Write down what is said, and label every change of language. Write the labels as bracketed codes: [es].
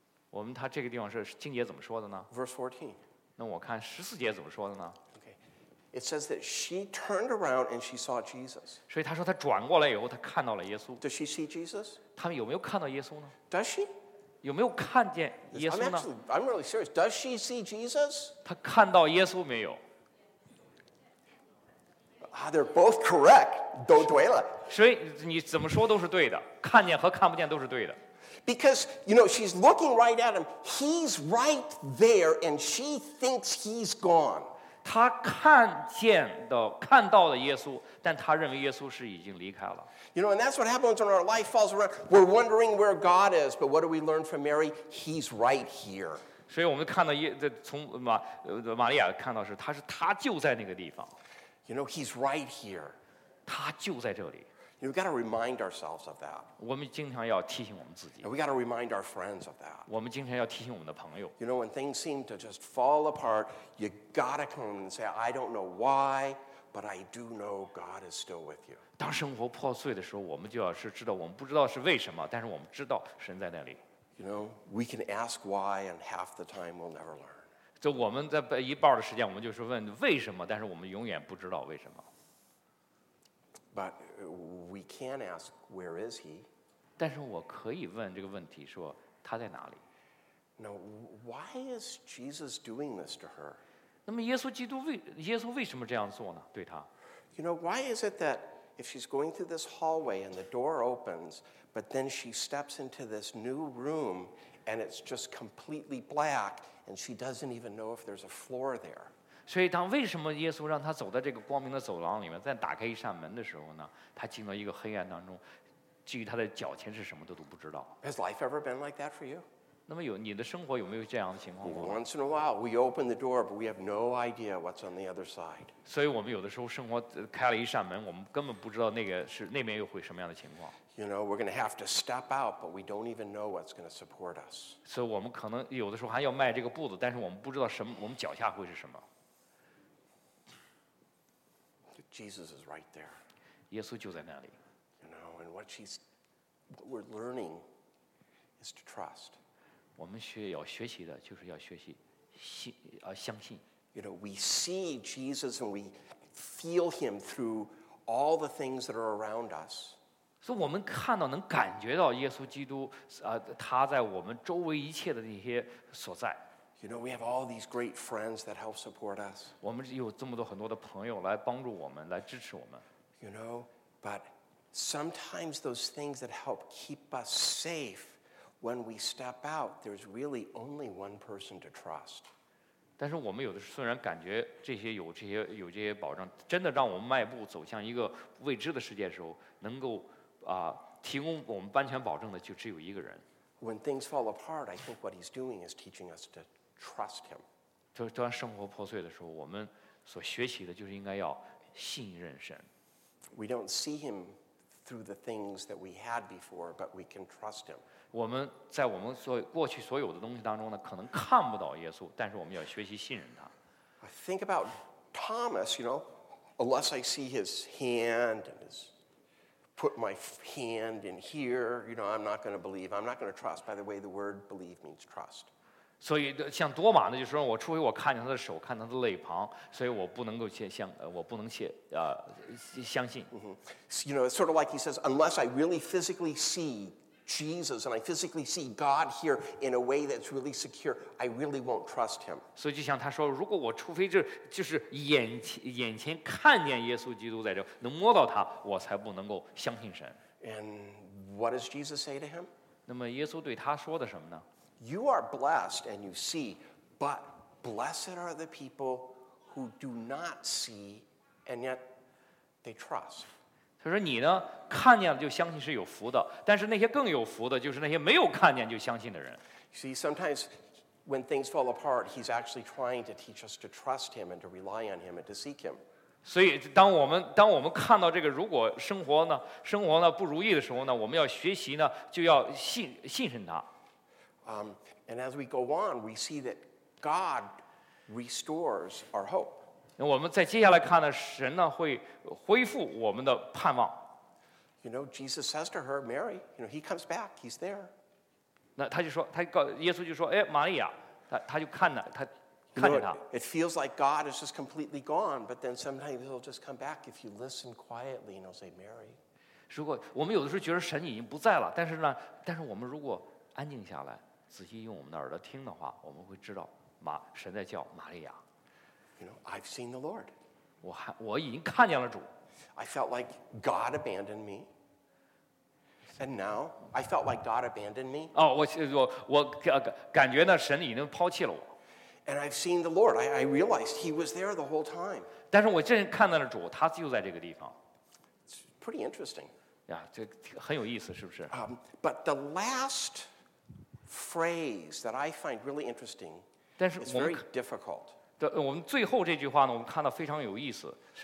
[zh] 我们他这个地方是经节怎么说的呢？ [en] Verse 14. [zh] 那我看十四节怎么说的呢？ [en] It says that she turned around and she saw Jesus. [zh] 所以她说她转过来以后，她看到了耶稣。 [en] Does she see Jesus? [zh] 他们有没有看到耶稣呢？ [en] Does she? [zh] 有没有看见耶稣呢？ [en] I'm really serious. Does she see Jesus? [zh] 她看到耶稣没有？ [en] They're both correct. [zh] 都对了。所以你怎么说都是对的，看见和看不见都是对的。 [en] Because, you know, she's looking right at him. He's right there and she thinks he's gone. [zh] 他看见的看到了耶稣，但他认为耶稣是已经离开了。 [en] You know, and that's what happens when our life falls around. We're wondering where God is, but what do we learn from Mary? He's right here. [zh] 所以我们看到从玛利亚看到是他就在那个地方。 [en] You know, he's right here. [zh] 他就在这里。 [en] We've got to remind ourselves of that. [zh] 我们经常要提醒我们自己。 [en] We've got to remind our friends of that. [zh] 我们经常要提醒我们的朋友。 [en] You know, when things seem to just fall apart, you got to come and say, I don't know why, but I do know God is still with you. [zh] 当生活破碎的时候，我们就要是知道，我们不知道是为什么，但是我们知道神在那里。 [en] You know, we can ask why, and half the time we'll never learn. [zh] 就我们在一半的时间，我们就是问为什么，但是我们永远不知道为什么。 [en] But we can ask, where is he? [zh] 但是我可以问这个问题，说他在哪里？ [en] Now, why is Jesus doing this to her? [zh] 那么耶稣为什么这样做呢？对他？ [en] You know, why is it that if she's going through this hallway and the door opens, but then she steps into this new room and it's just completely black and she doesn't even know if there's a floor there? [zh] 所以当为什么耶稣让他走在这个光明的走廊里面，再打开一扇门的时候呢，他进到一个黑暗当中，至于他的脚前是什么都不知道。 [en] Has life ever been like that for you? [zh] 那么你的生活有没有这样的情况过？ [en] Once in a while, we open the door, but we have no idea what's on the other side. [zh] 所以我们有的时候生活开了一扇门，我们根本不知道那边又会什么样的情况。 [en] You know, we're going to have to step out, but we don't even know what's going to support us. [zh] 所以我们可能有的时候还要迈这个步子，但是我们不知道我们脚下会是什么。 [en] Jesus is right there. [zh] 耶稣就在那里。 [en] You know, and what we're learning is to trust. [zh] 我们需要学习的就是要学习相信。 [en] You know, we see Jesus and we feel him through all the things that are around us. [zh] 所以我们看到能感觉到耶稣基督他在我们周围一切的那些所在。 [en] You know, we have all these great friends that help support us. [zh] 我们有这么多很多的朋友来帮助我们，来支持我们。 [en] You know, but Sometimes those things that help keep us safe when we step out, there's really only one person to trust. [zh] 但是我们有的时候虽然感觉这些有这些有这些保障，真的让我们迈步走向一个未知的世界的时候，能够啊提供我们安全保证的就只有一个人。 [en] When things fall apart, I think what he's doing is teaching us to trust him. [zh] 就当生活破碎的时候，我们所学习的就是应该要信任神。 [en] We don't see him through the things that we had before, but we can trust him. [zh] 我们在我们所过去所有的东西当中呢，可能看不到耶稣，但是我们要学习信任他。 [en] I think about Thomas, you know, unless I see his hand and his put my hand in here, you know, I'm not going to believe. I'm not going to trust. By the way, the word believe means trust. [zh] 所以像多马呢，就是说我除非我看见他的手，看他的肋旁，所以我不能够相，我不能相信。 Mm-hmm. [en] You know, it's sort of like he says, unless I really physically see Jesus and I physically see God here in a way that's really secure, I really won't trust him. [zh] 所以就像他说，如果我除非就是眼前看见耶稣基督在这，能摸到他，我才不能够相信神。 [en] And what does Jesus say to him? [zh] 那么耶稣对他说的什么呢？ [en] You are blessed and you see, but blessed are the people who do not see and yet they trust. [zh] 他说你呢，看见了就相信是有福的，但是那些更有福的就是那些没有看见就相信的人。 [en] See, sometimes when things fall apart, he's actually trying to teach us to trust him and to rely on him and to seek him. [zh] 所以当我们看到这个，如果生活呢不如意的时候呢，我们要学习呢，就要信任他。 [en] And as we go on, we see that God restores our hope. [zh] 那我们在接下来看呢，神呢会恢复我们的盼望。 [en] You know, Jesus says to her, Mary, you know, he comes back, he's there. [zh] 那他就说，他告耶稣就说，哎，玛利亚，他就看了，他看见他。 [en] It feels like God is just completely gone, but then sometimes he'll just come back if you listen quietly and he'll say, Mary. [zh] 如果我们有的时候觉得神已经不在了，但是呢，但是我们如果安静下来，仔细用我们的耳朵听的话，我们会知道神在叫玛利亚。 [en] You know, I've seen the Lord. [zh] 我已经看见了主。 [en] I felt like God abandoned me. And now I felt like God abandoned me. [zh] 哦，我感觉呢，神已经抛弃了我。 [en] And I've seen the Lord. I realized He was there the whole time. [zh] 但是我真看到了主，他就在这个地方。 [en] It's pretty interesting. [zh] 呀，这很有意思，是不是？ [en] But the last. Phrase that I find really interesting. It's very difficult. [zh] 对，我们最后这句话呢，我们看到非常有意思。